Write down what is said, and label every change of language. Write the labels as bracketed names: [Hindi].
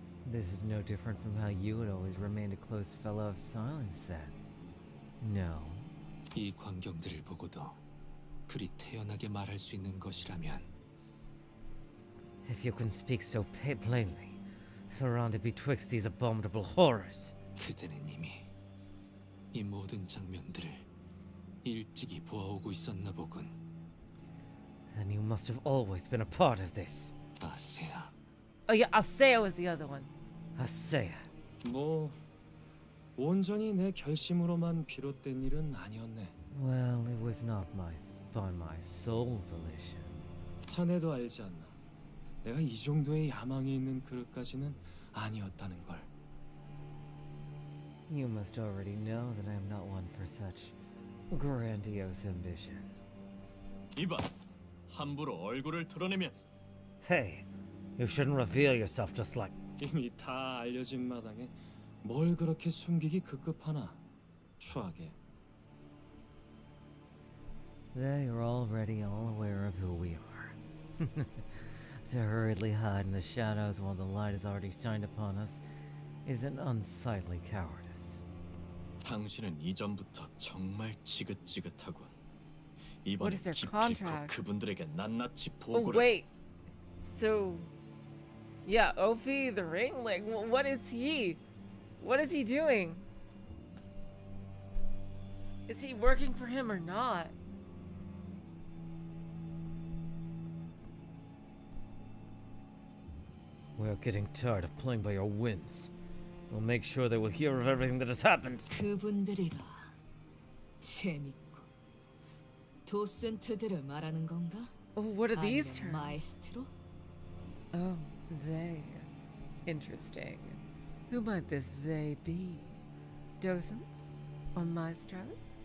[English] This is no different from how you had always remained a close fellow of silence then. No. [Korean] 이 광경들을 보고도 그리 태연하게 말할 수 있는 것이라면. [English] If you can speak so plainly, surrounded betwixt these abominable horrors. [Korean] 그대는 이미 이 모든 장면들을 일찍이 보아오고 있었나 보군. [English] Then you must have always been a part of this. [Korean] 아세야. [English] Oh yeah, Asea was the other one. Asea. [Korean] 뭐 온전히 내 결심으로만 비롯된 일은 아니었네. [English] Well, it was not my by my sole volition. [Korean] 자네도 알지 않나. 내가 이 정도의 야망이 있는 그릇까지는 아니었다는 걸. [English] You must already know that I am not one for such grandiose ambition. [Korean] 이봐, 함부로 얼굴을 드러내면. [English] Hey, you shouldn't reveal yourself just like. [Korean] 이미 다 알려진 마당에 뭘 그렇게 숨기기 급급하나, 추하게. [English] They are already all aware of who we are. To hurriedly hide in the shadows while the light has already shined upon us is an unsightly cowardice. [Korean] 당신은 이전부터 정말 지긋지긋하군. 이번에 깊이 코 그분들에게 낱낱이 보고를. [English] Oh, wait. So, yeah, Ophi the ring. Like, what is he? What is he doing? Is he working for him or not? We're getting tired of playing by your whims. We'll make sure they will hear of everything that has happened. [Korean] 그분들이라 재밌고 도센트들을 말하는 건가? [English] Oh, what are these terms? [Korean] 마에스트로? [English] Oh, they. Interesting. Who might this they be? Docents? Or maestros?